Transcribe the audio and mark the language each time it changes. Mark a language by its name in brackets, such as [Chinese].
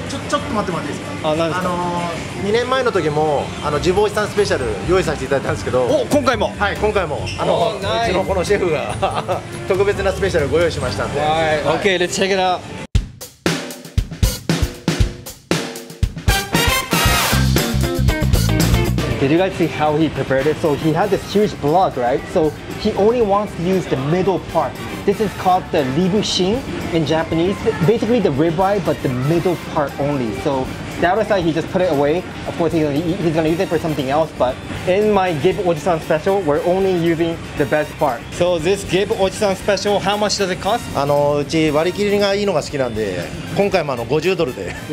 [Japanese] ちょっと待っていいですか何ですか 2年前の時も自暴自産スペシャル用意させていただいたんですけどお今回もはい今回もうちのこのシェフが特別なスペシャルご用意しましたんで [English] Alright, OK, let's check it outDid you guys see how he prepared it? So he had this huge block, right? So he only wants to use the middle part. This is called the libushin in Japanese. Basically the ribeye, but the middle part only. So the other side, he just put it away. Of course, he's gonna use it for something else. But in my ghib.ojisan special, we're only using the best part. So this ghib.ojisan special, how much does it cost? [Japanese] うち割り切りがいいのが好きなんで、今回も50ドルで。